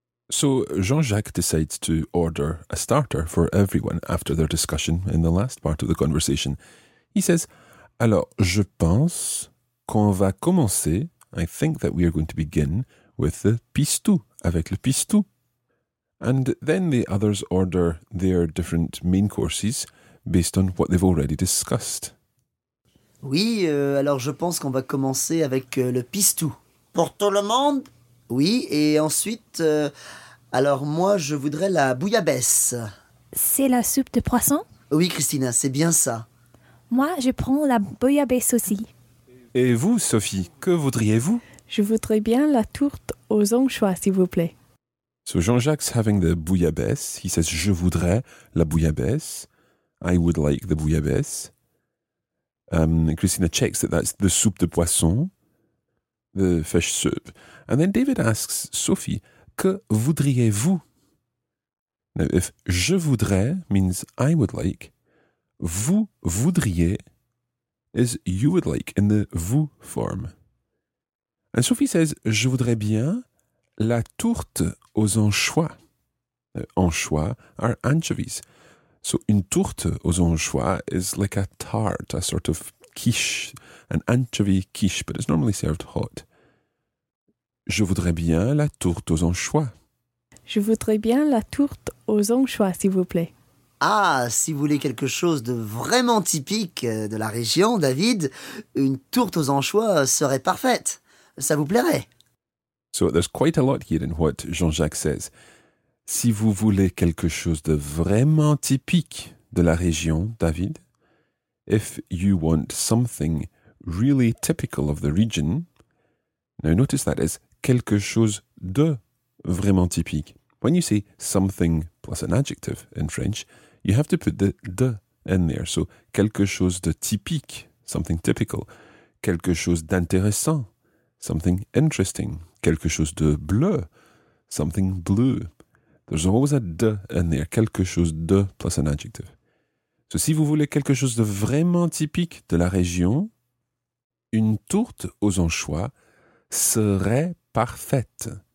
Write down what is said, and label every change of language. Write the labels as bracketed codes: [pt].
[en] So, Jean-Jacques decides to order a starter for everyone after their discussion in the last part of the conversation. He says, [fr] alors, je pense qu'on va commencer, [en] I think that we are going to begin, with the pistou, [fr] avec le pistou. [en] And then the others order their different main courses based on what they've already discussed. [fr] Oui, alors je pense qu'on va commencer avec le pistou. Pour tout le monde? Oui, et ensuite, alors moi je voudrais la bouillabaisse. C'est la soupe de poisson? Oui, Christina, c'est bien ça. Moi, je prends la bouillabaisse aussi. Et vous, Sophie, que voudriez-vous? Je voudrais bien la tourte aux anchois, s'il vous plaît. [en] So Jean-Jacques's having the bouillabaisse. He says, [fr] je voudrais la bouillabaisse. [en] I would like the bouillabaisse. Christina checks that that's the [fr] soupe de poisson, [en] the fish soup. And then David asks Sophie, [fr] que voudriez-vous? [en] Now, if je voudrais means I would like, vous voudriez is you would like in the vous form. And Sophie says, [fr] je voudrais bien la tourte aux anchois. [en] Anchois are anchovies. So, [fr] une tourte aux anchois [en] is like a tart, a sort of quiche, an anchovy quiche, but it's normally served hot. [fr] Je voudrais bien la tourte aux anchois. Je voudrais bien la tourte aux anchois, s'il vous plaît. Ah, si vous voulez quelque chose de vraiment typique de la région, David, une tourte aux anchois serait parfaite. Ça vous plairait. [en] So, there's quite a lot here in what Jean-Jacques says. [fr] Si vous voulez quelque chose de vraiment typique de la région, David, [en] if you want something really typical of the region, now notice that is [fr] quelque chose de vraiment typique. [en] When you say something plus an adjective in French, you have to put the de in there. [fr] So, quelque chose de typique, [en] something typical. [fr] Quelque chose d'intéressant, [en] something interesting. [fr] Quelque chose de bleu, [en] something blue. There's always a de in there, [fr] quelque chose de [en] plus an adjective. [fr] So si vous voulez quelque chose de vraiment typique de la région, une tourte aux anchois serait parfaite.